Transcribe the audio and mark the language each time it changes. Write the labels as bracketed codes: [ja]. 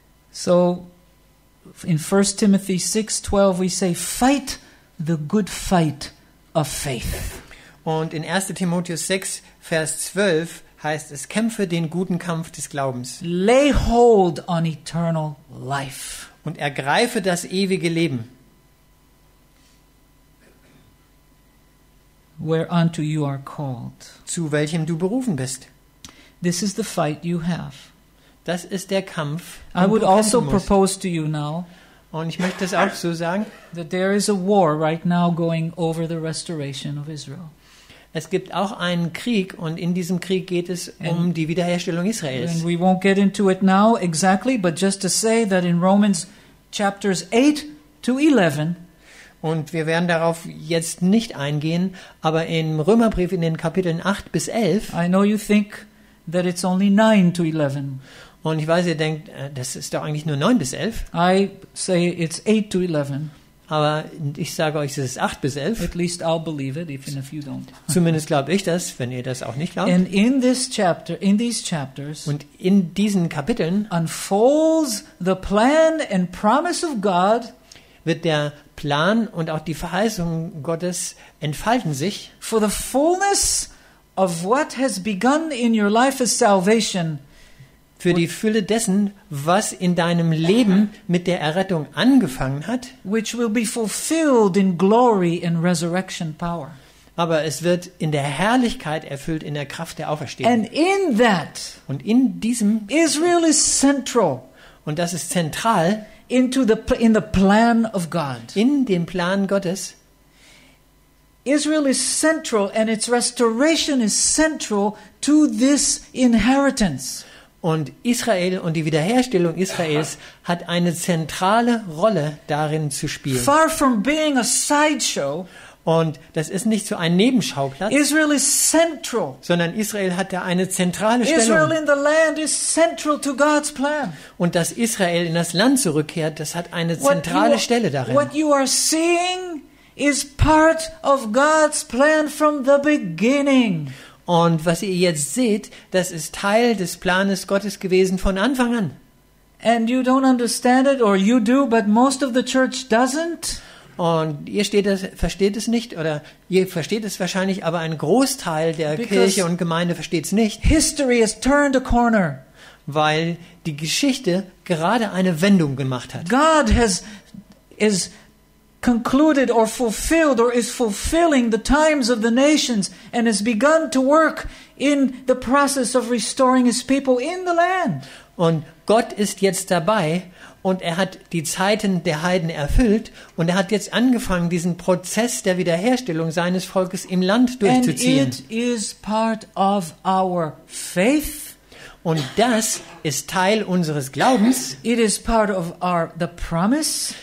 [en] So, in 1 Timothy 6:12 we say, fight the good fight of faith. [de] Und in 1. Timotheus 6, Vers 12 heißt es, kämpfe den guten Kampf des Glaubens. [en] Lay hold on eternal life. [de] Und ergreife das ewige Leben. [en] Whereunto you are called. [de] Zu welchem du berufen bist. [en] This is the fight you have. [de] Das ist der Kampf. [en] I would also propose to you now. [de] Und ich möchte es auch so sagen. [en] That there is a war right now going over the restoration of Israel. [de] Es gibt auch einen Krieg und in diesem Krieg geht es um die Wiederherstellung Israels. [en] And we won't get into it now exactly, but just to say that in Romans chapters 8 to 11. [de] Und wir werden darauf jetzt nicht eingehen, aber im Römerbrief in den Kapiteln 8 bis 11. [en] I know you think that it's only 9 to 11. [de] Und ich weiß, ihr denkt, das ist doch eigentlich nur 9 bis 11. [en] I say it's 8 to 11. [de] Aber ich sage euch, es ist 8 bis 11. [en] At least I'll believe it, even if you don't. [de] Zumindest glaube ich das, wenn ihr das auch nicht glaubt. [en] And in this chapter, in these chapters, [de] und in diesen Kapiteln [en] unfolds the plan and promise of God. [de] Wird der Plan und auch die Verheißung Gottes entfalten sich. [en] For the fullness of what has begun in your life is salvation. [de] Für die Fülle dessen, was in deinem Leben mit der Errettung angefangen hat. [en] Which will be fulfilled in glory and resurrection power. [de] Aber es wird in der Herrlichkeit erfüllt, in der Kraft der Auferstehung. [en] And in that, [de] und in diesem [en] Israel is central. [de] Und das ist zentral. [en] In the plan of God. [de] In dem Plan Gottes. [en] Israel is central and its restoration is central to this inheritance. [de] Und Israel und die Wiederherstellung Israels hat eine zentrale Rolle darin zu spielen. [en] Far from being a sideshow. [de] Und das ist nicht so ein Nebenschauplatz. [en] Israel is central. [de] Sondern Israel hat da eine zentrale Stellung. [en] Israel in the land is central to God's plan. [de] Und dass Israel in das Land zurückkehrt, das hat eine zentrale Stelle darin. [en] What you are seeing is part of God's plan from the beginning. [de] Und was ihr jetzt seht, das ist Teil des Planes Gottes gewesen von Anfang an. [en] And you don't understand it, or you do, but most of the church doesn't. [de] Und ihr versteht es nicht, oder ihr versteht es wahrscheinlich, aber ein Großteil der Kirche und Gemeinde versteht es nicht. [en] History has turned a corner. [de] Weil die Geschichte gerade eine Wendung gemacht hat. [en] God has is concluded or fulfilled or is fulfilling the times of the nations and has begun to work in the process of restoring his people in the land. [de] Und Gott ist jetzt dabei und er hat die Zeiten der Heiden erfüllt und er hat jetzt angefangen, diesen Prozess der Wiederherstellung seines Volkes im Land durchzuziehen. [en] And it is part of our faith. [de] Und das ist Teil unseres Glaubens. [en] It is part of our the promise.